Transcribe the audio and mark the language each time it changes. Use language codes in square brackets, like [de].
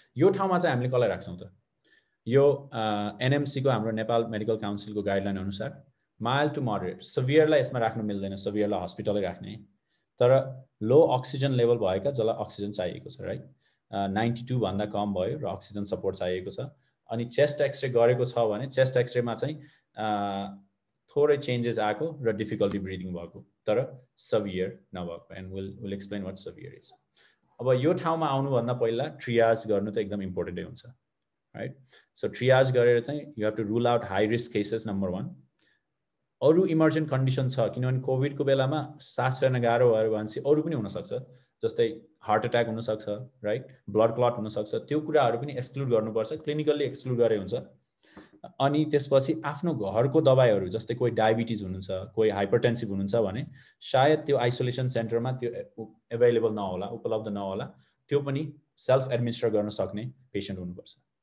[ne] यो ठाउँमा चाहिँ हामीले कसलाई राख्छौँ त यो एनएमसीको हाम्रो नेपाल मेडिकल काउन्सिलको गाइडलाइन अनुसार माइल्ड टु मोडरेट, सिभियरलाई यसमा राख्नु मिल्दैन, सिभियरलाई हस्पिटलै राख्ने, तर लो अक्सिजन लेभल भएका जसलाई अक्सिजन चाहिएको छ राइट, 92 भन्दा कम भयो र अक्सिजन सपोर्ट चाहिएको छ, अनि चेस्ट एक्सरे गरेको छ भने चेस्ट एक्सरेमा चाहिँ थोरै चेन्जेस आएको र डिफिकल्टी ब्रिदिङ भएको तर सिभियर नभएको, [en] And will explain what severe is. [ne] अब यो ठाउँमा आउनुभन्दा पहिला ट्रियाज गर्नु त एकदम इम्पोर्टेन्टै हुन्छ राइट. [en] so [ne] ट्रियाज गरेर चाहिँ [en] You have to rule out high risk cases number one. [ne] अरू इमर्जेन्ट कन्डिसन छ किनभने कोभिडको बेलामा सास फेर्न गाह्रो भयो भनेपछि अरू पनि हुनसक्छ, जस्तै हार्ट एट्याक हुनसक्छ राइट, ब्लड क्लट हुनसक्छ, त्यो कुराहरू पनि एक्सक्लुड गर्नुपर्छ, क्लिनिकल्ली एक्सक्लुड गरे हुन्छ. अनि त्यसपछि आफ्नो घरको दबाईहरू, जस्तै कोही डायबिटिज हुनुहुन्छ, कोही हाइपरटेन्सिभ हुनुहुन्छ भने सायद त्यो आइसोलेसन सेन्टरमा त्यो एभाइलेबल नहोला, उपलब्ध नहोला, त्यो पनि सेल्फ एडमिनिस्टर गर्न सक्ने पेसेन्ट हुनुपर्छ.